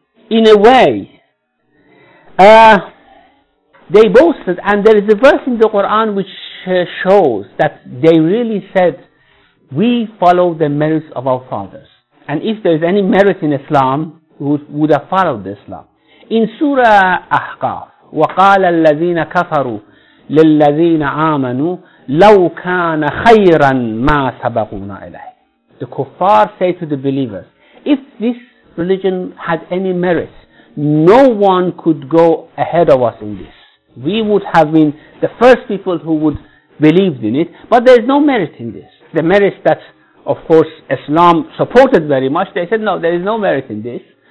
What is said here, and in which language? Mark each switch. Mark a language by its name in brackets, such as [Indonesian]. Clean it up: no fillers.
[English] In a way, they boasted, and there is a verse in the Quran which shows that they really said, we follow the merits of our fathers. And if there is any merit in Islam, we would have followed Islam. In Surah Ahqaf, [Arabic] وَقَالَ الَّذِينَ كَفَرُوا لِلَّذِينَ آمَنُوا لَوْ كَانَ خَيْرًا مَا سَبَقُونَ إِلَيْهِ. [English] The kuffar say to the believers, if this religion had any merit, no one could go ahead of us in this. We would have been the first people who would believe in it, but there is no merit in this. The merit that, of course, Islam supported very much, they said, no, there is no merit in this.